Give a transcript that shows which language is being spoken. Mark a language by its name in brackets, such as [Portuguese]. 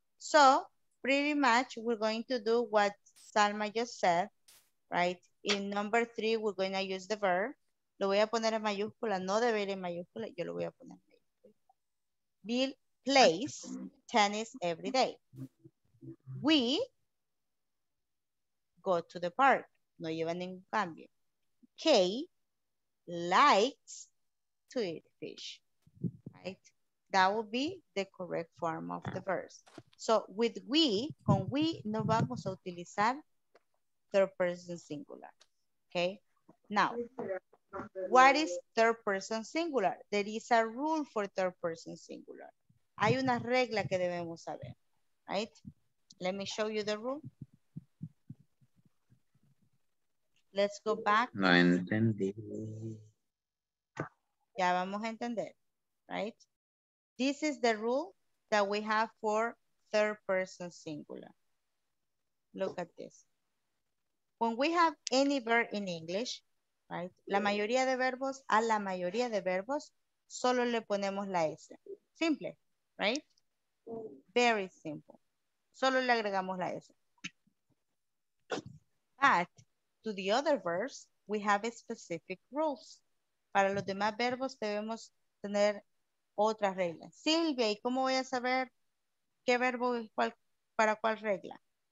[English] So pretty much we're going to do what Salma just said, right? In number three, we're going to use the verb. [Spanish] Lo voy a poner en mayúscula, no debe ir en mayúscula, yo lo voy a poner en mayúscula. [English] Bill plays tennis every day. We go to the park. [Spanish] No lleva ningún cambio. [English] Kay likes to eat fish. Right? That will be the correct form of the verb. So with we, [Spanish] con we, no vamos a utilizar [English] third person singular. Okay? Now, what is third person singular? There is a rule for third person singular. [Spanish] Hay una regla que debemos saber, [English] right? Let me show you the rule. Let's go back. [Spanish] No entendí. Ya vamos a entender, right? [English] This is the rule that we have for third person singular. Look at this. When we have any verb in English, right? [Spanish] La mayoría de verbos, a la mayoría de verbos, solo le ponemos la S. [English] Simple, right? Very simple. [Spanish] Solo le agregamos la S. [English] But to the other verbs, we have specific rules. [Spanish] Para los demás verbos debemos tener otras reglas. Silvia, ¿y cómo voy a saber qué verbo es cuál, para cuál regla?